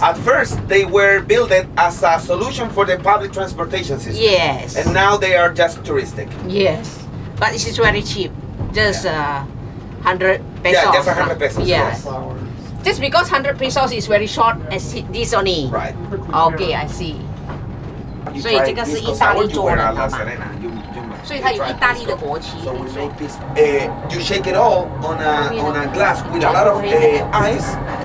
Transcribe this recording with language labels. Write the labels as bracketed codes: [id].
[en] At first, they were built as a solution for the public transportation system. Yes. And now they are just touristic. Yes. But it is very cheap. Just 100 pesos. Yeah, just 100 pesos. Yes. Just because 100 pesos is very short as this only. Right. Okay, I see. [zh] 所以这个是意大利做的嘛？所以它有意大利的国旗。 [en] You shake it all on a glass with a lot of ice.